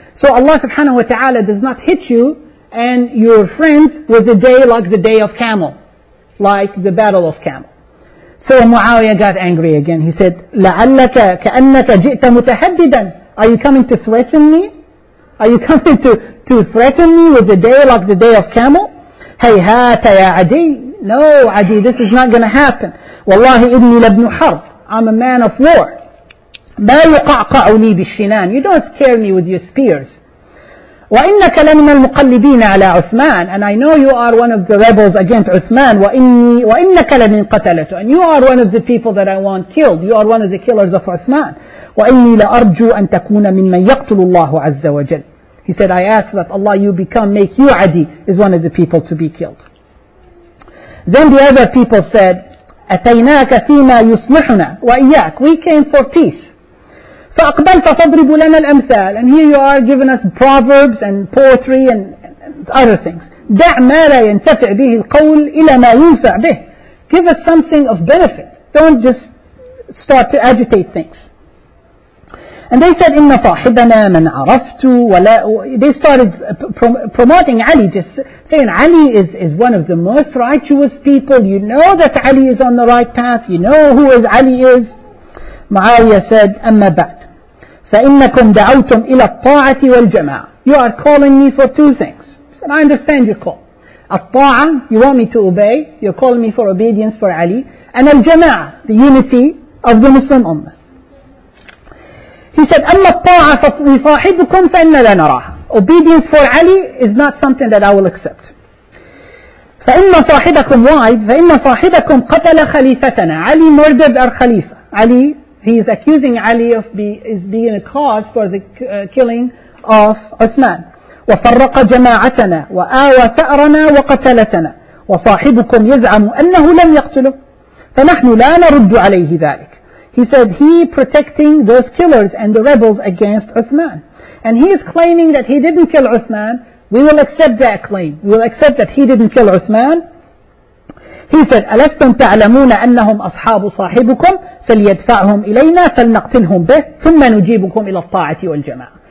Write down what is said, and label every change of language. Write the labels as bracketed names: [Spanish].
[English] So Allah subhanahu wa ta'ala does not hit you and your friends with a day like the day of camel, like the battle of camel. So Muawiyah got angry again. He said, [Arabic] لَعَلَّكَ كَأَنَّكَ جِئْتَ مُتَهَدِّدًا. [English] Are you coming to threaten me? Are you coming to threaten me with the day like the day of camel? [Arabic] هَيْهَاتَ يَا عَدِي. [English] No, Adi, this is not going to happen. [Arabic] وَاللَّهِ إِنِّي لَبْنُ حَرْبٍ. [English] I'm a man of war. [Arabic] مَا يُقَعْقَعُ لِي بِالشِّنَانِ. [English] You don't scare me with your spears. [Arabic] وَإِنَّكَ لَمِنَ الْمُقَلِّبِينَ عَلَى عُثْمَانِ. [English] And I know you are one of the rebels against Uthman. [Arabic] وَإِنَّكَ لَمِنْ قَتَلَتُ. [English] And you are one of the people that I want killed. You are one of the killers of Uthman. [Arabic] وَإِنِّي لَأَرْجُوا أَن تَكُونَ مِمَّنْ يَقْتُلُ اللَّهُ عَزَّ وَجَلْ. [English] He said, I ask that Allah you become, make you Adi, is one of the people to be killed. Then the other people said, [Arabic] أَتَيْنَاكَ فِيمَا يُصْلِحُنَا وَإِيَّاكَ. [English] We came for peace. [Arabic] فَأَقْبَلْتَ تَضْرِبُ لَنَا الْأَمْثَالِ. [English] And here you are giving us proverbs and poetry and other things. [Arabic] دَعْ مَا لَا يَنْتَفِعْ بِهِ الْقَوْلِ إِلَى مَا يُنْفَعْ بِهِ. [English] Give us something of benefit. Don't just start to agitate things. And they said, [Arabic] إِنَّ صَاحِبَنَا مَنْ عَرَفْتُ وَلَا. [English] They started promoting Ali, just saying Ali is one of the most righteous people. You know that Ali is on the right path. You know who is Ali is. Muawiyah said, [Arabic] أَمَّا بَعْدْ فَإِنَّكُمْ دَعَوْتُمْ إِلَى الطَّاعَةِ وَالْجَمَاعَةِ. [English] You are calling me for two things. He said, I understand your call. الطَّاعَة, you want me to obey. You're calling me for obedience for Ali. And الجَمَاعَة, the unity of the Muslim Ummah. He said, [Arabic] أَمَّا الطَّاعَ فَصَاحِبُكُمْ فَإِنَّ لَنَرَاهَا. [English] Obedience for Ali is not something that I will accept. [Arabic] فإن صاحبكم وعد فإن صاحبكم قتل خليفتنا. [English] علي murdered our خليفة. علي, he is accusing Ali of being a cause for the killing of Uthman. [Arabic] وفرق جماعتنا وآوى ثأرنا وقتلتنا وصاحبكم يزعم أنه لم يقتله فنحن لا نرد عليه ذلك. [English] He said he protecting those killers and the rebels against Uthman. And he is claiming that he didn't kill Uthman. We will accept that claim. We will accept that he didn't kill Uthman. He said, [Arabic] أَلَسْتُمْ تَعْلَمُونَ أَنَّهُمْ أَصْحَابُ صَاحِبُكُمْ فَلْيَدْفَعْهُمْ إِلَيْنَا فَلْنَقْتِلْهُمْ بِهِ ثُمَّ نُجِيبُكُمْ إِلَى الطَّاعَةِ وَالْجَمَاعَةِ.